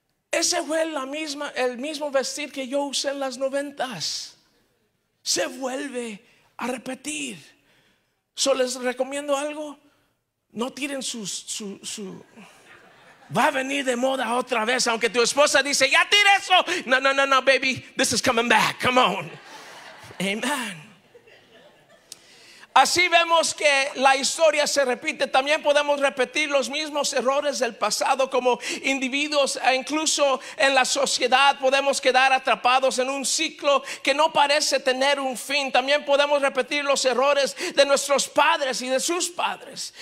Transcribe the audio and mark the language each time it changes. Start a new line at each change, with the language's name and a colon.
Spanish: Ese fue el mismo vestir que yo usé en las 90s. Se vuelve a repetir. Solo les recomiendo algo: no tiren su va a venir de moda otra vez, aunque tu esposa dice: ya tira eso.
English: No, baby, this is coming back, come on. Amen.
Spanish: Así vemos que la historia se repite. También podemos repetir los mismos errores del pasado como individuos, e incluso en la sociedad podemos quedar atrapados en un ciclo que no parece tener un fin. También podemos repetir los errores de nuestros padres y de sus padres.